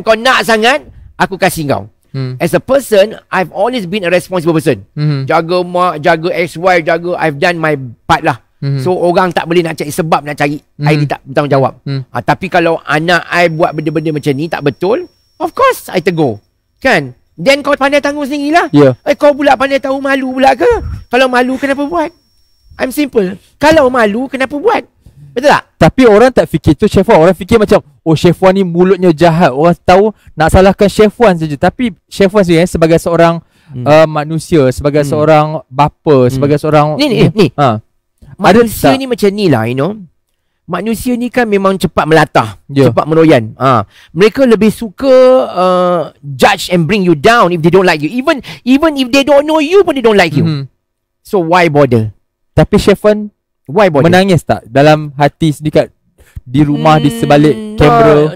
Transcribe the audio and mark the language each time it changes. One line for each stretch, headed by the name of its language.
Malay: Kau nak sangat, aku kasih kau.
English: As a person, I've always been a responsible person.
Malay: Jaga mak, jaga ex-wife, jaga,
English: I've done my part
Malay: lah. So orang tak boleh nak cari sebab nak cari. I tak bertanggungjawab. Tapi kalau anak I buat benda-benda macam ni tak betul,
English: of course
Malay: I tegur. Kan? Then kau pandai tanggung sendiri lah. Kau pula pandai tahu malu pula ke? Kalau malu kenapa buat? I'm simple. Kalau malu kenapa buat? Betul tak? Tapi orang tak fikir tu Chef Wan. Orang fikir macam, oh, Chef Wan ni mulutnya jahat. Orang tahu nak salahkan Chef Wan saja. Tapi Chef Wan sendiri, sebagai seorang manusia, sebagai seorang bapa, sebagai seorang... Ni. Manusia ni macam ni lah, you know. Manusia ni kan memang cepat melatah. Yeah. Cepat meroyan. Mereka lebih suka
English: judge and bring you down if they don't like you. Even if they don't know you pun they don't like you. So why bother?
Malay: Tapi Chef Wan...
English: Why bother?
Malay: Menangis tak dalam hati sendiri, kat di rumah di sebalik kamera?